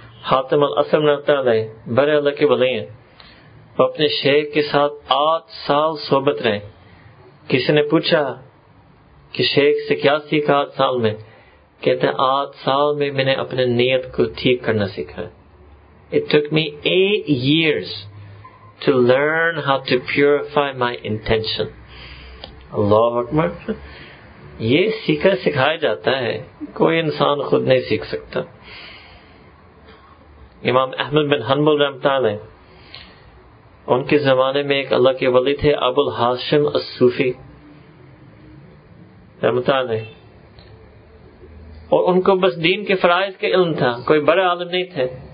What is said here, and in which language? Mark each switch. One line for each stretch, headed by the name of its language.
Urdu: حاتم الاسلم رحمۃ اللہ بڑے اللہ کے ولی ہیں, وہ اپنے شیخ کے ساتھ 8 سال صحبت رہے. کسی نے پوچھا کہ شیخ سے کیا سیکھا 8 سال میں, کہتے ہیں 8 سال میں نے اپنے نیت کو ٹھیک کرنا سیکھا.
English: It took me 8 years to learn how to purify my intention.
Arabic: اللہ اکبر.
Urdu: یہ سیکھا سکھایا جاتا ہے, کوئی انسان خود نہیں سیکھ سکتا. امام احمد بن حنبل رحمۃ اللہ, ان کے زمانے میں ایک اللہ کے ولی تھے, ابو الحاشم الصوفی رحمۃ اللہ, اور ان کو بس دین کے فرائض کا علم تھا, کوئی بڑے عالم نہیں تھے.